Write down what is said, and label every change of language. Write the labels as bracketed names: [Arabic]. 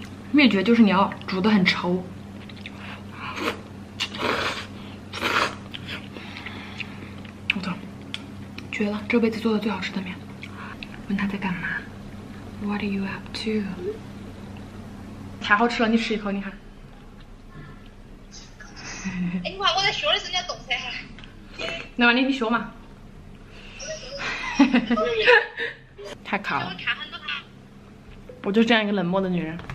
[Chinese] 秘诀就是你要煮得很稠。绝了，这辈子做的最好吃的面。问他在干嘛 ？ [English] What are you up to？ [Chinese] 太好吃了，你吃一口，你看。哎，你看我在学的时候，你懂噻。那玩意你学嘛？太卡了。我就这样一个冷漠的女人。